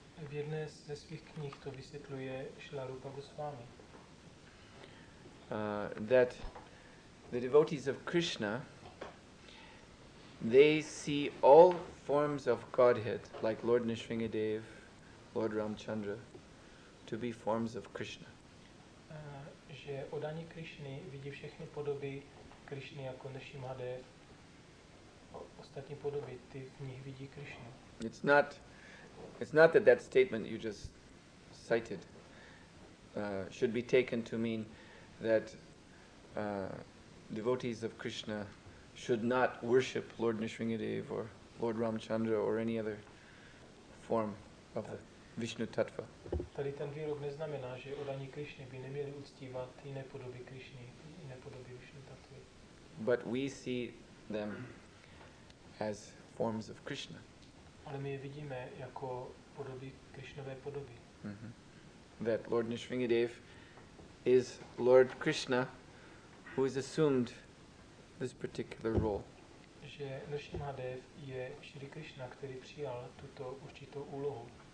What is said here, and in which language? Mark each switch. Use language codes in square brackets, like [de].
[cs] V jedné ze svých knih to vysvětluje Šrila Rupa Goswami. [en] That the devotees of Krishna, they see all forms of Godhead, like Lord Nrisimhadev, Lord Ramchandra, to be forms of Krishna. [cs] Že oddaní Krishny vidí všechny podoby Krishny jako Nrisimhadev, ostatní podoby, ty v nich vidí Krishna. [en] It's not that that statement you just cited should be taken to mean that devotees of Krishna should not worship Lord Nrisimhadev or Lord Ramchandra or any other form of the Vishnu Tattva. [cs] Tady ten výrok neznamená, že oddaní Krishny by neměli uctívat jiné podoby Krishny, jiné podoby Vishnu Tattvy. [en] But we see them as forms of Krishna. [cs] Ale my je vidíme jako podoby, Krishnové podoby. Mm-hmm. [en] That Lord Nrisimhadev is Lord Krishna who has assumed this particular role. [cs] Že Nrisimhadev je Shri Krishna, který přijal tuto určitou úlohu.